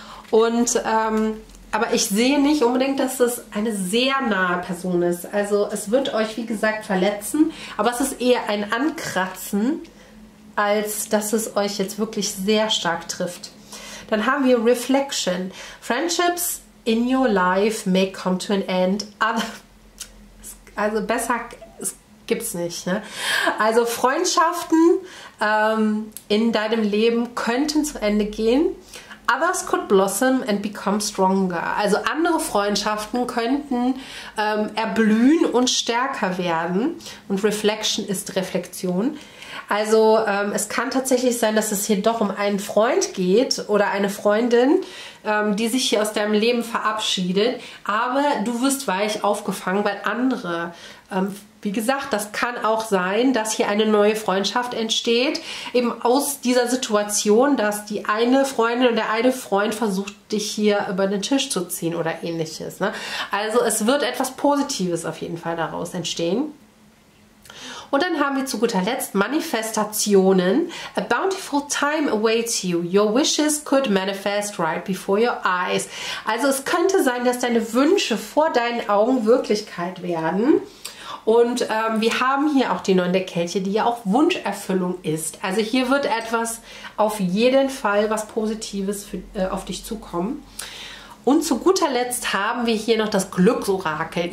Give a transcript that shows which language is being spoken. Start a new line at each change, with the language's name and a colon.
German: Und aber ich sehe nicht unbedingt, dass das eine sehr nahe Person ist. Also es wird euch, wie gesagt, verletzen, aber es ist eher ein Ankratzen, als dass es euch jetzt wirklich sehr stark trifft. Dann haben wir Reflection.
English: Friendships in your life may come to an end.
German: Also besser gibt es nicht. Ne? Also Freundschaften in deinem Leben könnten zu Ende gehen.
English: Others could blossom and become stronger.
German: Also andere Freundschaften könnten erblühen und stärker werden. Und Reflection ist Reflexion. Also es kann tatsächlich sein, dass es hier doch um einen Freund geht oder eine Freundin, die sich hier aus deinem Leben verabschiedet. Aber du wirst weich aufgefangen, weil andere, wie gesagt, das kann auch sein, dass hier eine neue Freundschaft entsteht. Eben aus dieser Situation, dass die eine Freundin oder der eine Freund versucht, dich hier über den Tisch zu ziehen oder ähnliches. Ne? Also es wird etwas Positives auf jeden Fall daraus entstehen. Und dann haben wir zu guter Letzt Manifestationen.
English: A bountiful time awaits you. Your wishes could manifest right before your eyes.
German: Also es könnte sein, dass deine Wünsche vor deinen Augen Wirklichkeit werden. Und wir haben hier auch die 9 der Kelche, die ja auch Wunscherfüllung ist. Also hier wird etwas, auf jeden Fall was Positives für, auf dich zukommen. Und zu guter Letzt haben wir hier noch das Glücksorakel.